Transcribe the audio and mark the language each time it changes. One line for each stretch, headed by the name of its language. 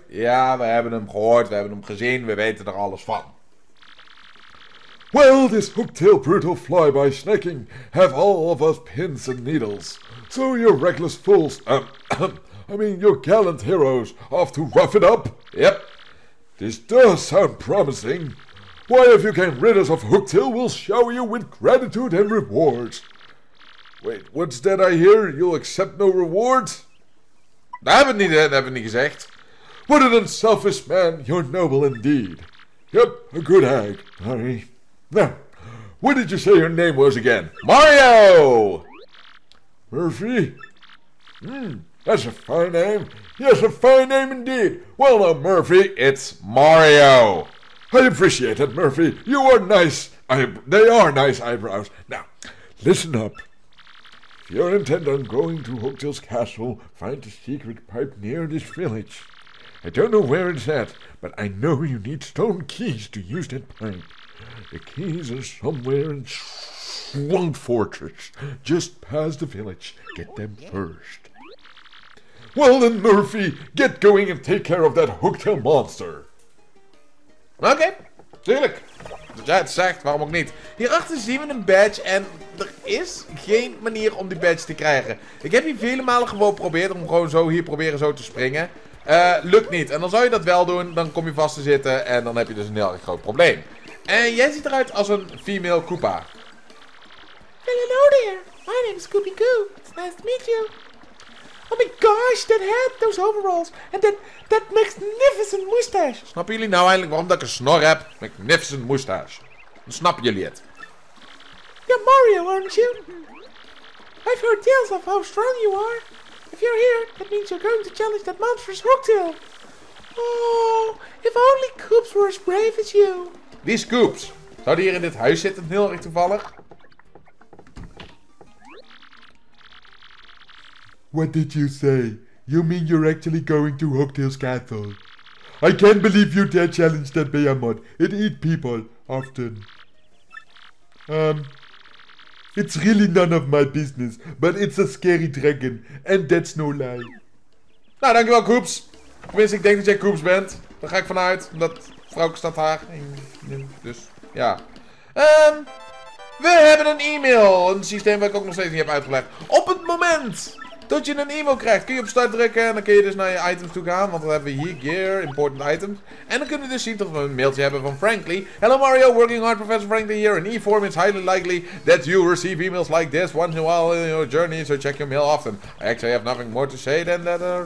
Dutch: Ja, we hebben hem gehoord, we hebben hem gezien, we weten er alles van.
English: Well, this Hooktail brutal flyby snacking have all of us pins and needles. So your reckless fools, your gallant heroes, off to rough it up? Yep. This does sound promising. Why, if you can rid us of Hooktail, we'll shower you with gratitude and rewards. Wait, what's that I hear? You'll accept no reward?
Dutch: Dat hebben we niet gezegd.
English: What an unselfish man. You're noble indeed. Yep, a good hag. Hi. Now, what did you say your name was again? Mario! Murphy? That's a fine name. Yes, a fine name indeed. Well, now, Murphy, it's Mario. I appreciate it, Murphy. You are nice. They are nice eyebrows. Now, listen up. If you're intent on going to Hooktail's castle, find a secret pipe near this village. I don't know where it's at, but I know you need stone keys to use that pipe. The keys are somewhere in Swung Fortress, just past the village. Get them first. Well then, Murphy, get going and take care of that Hooktail monster.
Dutch: Okay, tuurlijk. Als jij het zegt, waarom ook niet? Hierachter zien we een badge en er is geen manier om die badge te krijgen. Ik heb hier vele malen gewoon geprobeerd om gewoon zo hier proberen zo te springen. Lukt niet. En dan zou je dat wel doen, dan kom je vast te zitten en dan heb je dus een heel erg groot probleem. En jij ziet eruit als een female Koopa.
English: Hello there, my name is Koopy Koo. It's nice to meet you. Oh my gosh, that hat, those overalls, and that magnificent moustache.
Dutch: Snappen jullie nou eindelijk waarom dat ik een snor heb?
English: Magnificent moustache.
Dutch: Dan snappen jullie het.
English: Yeah, Mario, aren't you? I've heard tales of how strong you are. If you're here, that means you're going to challenge that monstrous Hooktail. Oh, if only Koops were as brave as you.
Dutch: Wie is Koops? Zou die hier in dit huis zitten, heel erg toevallig?
English: What did you say? You mean you're actually going to Hooktail's castle? I can't believe you dare challenge that behemoth. It eats people, often. It's really none of my business, but it's a scary dragon, and that's no lie.
Dutch: Nou, dankjewel, Koops. Tenminste, ik denk dat jij Koops bent. Daar ga ik vanuit, omdat vrouwke staat haar. Dus, ja. We hebben een e-mail. Een systeem waar ik ook nog steeds niet heb uitgelegd. Op het moment dat je een e-mail krijgt, kun je op start drukken en dan kun je dus naar je items toe gaan. Want dan hebben we hier
English: gear, important items.
Dutch: En dan kunnen we dus zien dat we een mailtje hebben van Frankly.
English: Hello Mario, working hard Professor Frankly here. In e-form, it's highly likely that you receive emails like this once in a while in your journey. So check your mail often. I actually have nothing more to say than that.